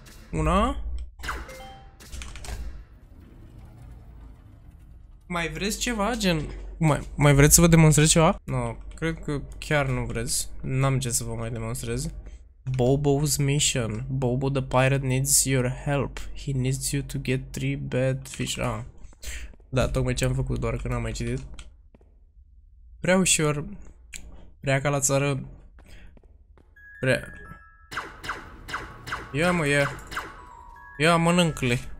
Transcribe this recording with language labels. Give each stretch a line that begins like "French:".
Romanian: Una? Mai vreți ceva, gen... Mai vreți să vă demonstrez ceva? No, cred că chiar nu vreți. N-am ce să vă mai demonstrez.
English: Bobo's mission. Bobo the pirate needs your help. He needs you to get 3 bad fish. Ah.
Romanian: Da, tocmai ce am făcut, doar că n-am mai citit. Prea ușor. Prea ca la țară. Prea. Ia mă, ia. Ia, mănâncă-le.